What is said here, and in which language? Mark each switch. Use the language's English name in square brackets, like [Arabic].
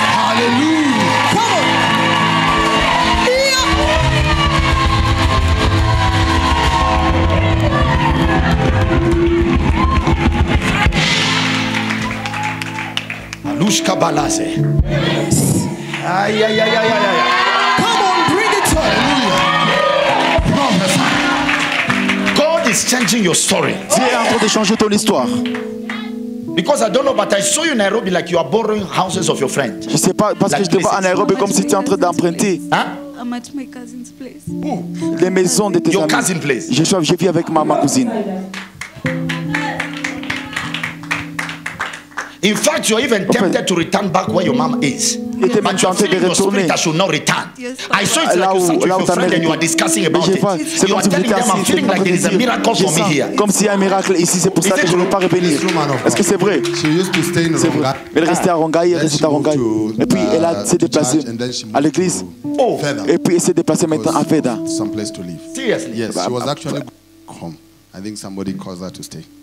[English] Hallelujah. Come on. Lushka Balase. Come on, bring it to us. God is changing your story. Dieu est en train de changer ton histoire. Because I don't know, but I saw you in Nairobi like you are borrowing houses of your friend. [French] Je sais pas parce que je te vois en Nairobi comme si tu es en train d'emprunter. Hein? [English] I'm at my cousin's place. [French] Où? Les maisons de tes [English] your [French] amis. [English] Your cousin's place. [French] Je vis avec ma cousine. [English] In fact, you are even tempted to return back where your mom is. Yes. But you feel your spirit should not return. Yes, I saw it like you sat with your friend and you are discussing about it. [French] Vois, [English] you are telling them, I'm feeling like there is a miracle for me here. [French] Comme s'il y a un miracle ici, c'est pour ça que je ne veux pas revenir. Est-ce que c'est vrai? [English] She used to stay in Rongai. [French] Elle restait à Rongai, elle restait à Rongai. Et puis elle a s'est déplacée à l'église. [English] Oh. [French] Et puis elle s'est déplacée maintenant à Feda. [English] Some place to live. Seriously? Yes, she was actually home. I think somebody caused her to stay.